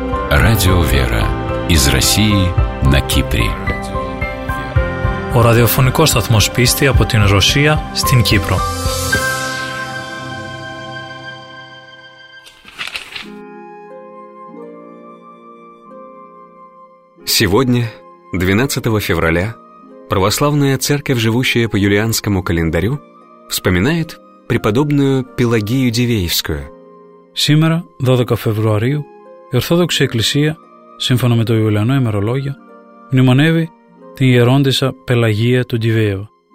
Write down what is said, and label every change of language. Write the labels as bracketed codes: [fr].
[ru] Радио «Вера» из России на Кипре. [el] Ο ραδιοφωνικός σταθμός πίστη από την Ρωσία στην Κύπρο. [ru] Сегодня, 12 февраля, православная церковь, живущая по юлианскому календарю, вспоминает преподобную Пелагею Дивеевскую. Сегодня, 12 февраля, [el] η Ορθόδοξη Εκκλησία, σύμφωνα με το Ιουλιανό ημερολόγιο, μνημονεύει την ιερόντισσα Πελαγία του Ντιβέου.